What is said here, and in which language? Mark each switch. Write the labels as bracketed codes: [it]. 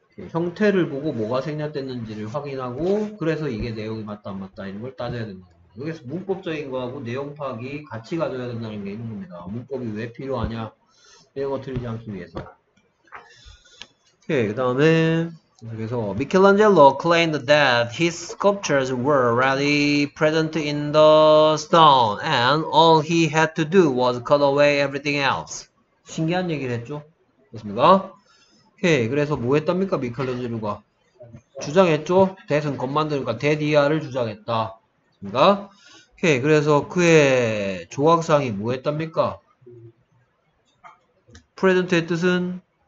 [ko] 형태를 보고 뭐가 생략됐는지를 확인하고, 그래서 이게 내용이 맞다 안 맞다 이런 걸 따져야 된다. 여기서 문법적인 거하고 내용 파악이 같이 가져야 된다는 게 있는 겁니다. 문법이 왜 필요하냐? 이런 거 틀리지 않기 위해서. 오케이, 그 다음에, 계속. [en] Michelangelo claimed that his sculptures were already present in the stone, and all he had to do was cut away everything else. [ko] 신기한 얘기를 했죠? 그렇습니까? 오케이. 그래서 뭐 했답니까? 미켈란젤로가 주장했죠? 대승 건만들과 데디아를 주장했다. 그니까? 오케이. 그래서 그의 조각상이 뭐 했답니까? 프레젠트의 뜻은?